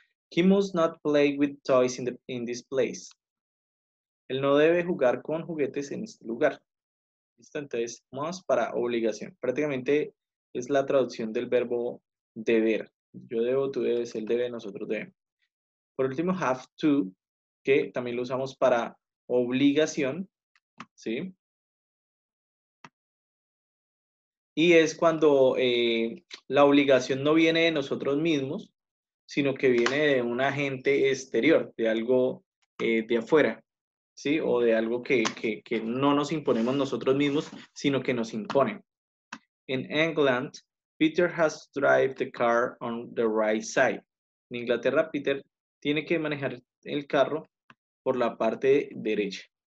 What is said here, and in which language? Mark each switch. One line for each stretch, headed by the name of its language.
English: He must not play with toys in this place.
Spanish: Él no debe jugar con juguetes en este lugar. ¿Listo? Entonces, must para obligación. Prácticamente es la traducción del verbo deber. Yo debo, tú debes, él debe, nosotros debemos. Por último, have to, que también lo usamos para obligación, ¿sí? Y es cuando la obligación no viene de nosotros mismos, sino que viene de un agente exterior, de algo de afuera, ¿sí? O de algo que no nos imponemos nosotros mismos, sino que nos imponen.
English: En England, Peter has to drive the car on the right side.
Spanish: En Inglaterra, Peter tiene que manejar el carro por la parte derecha.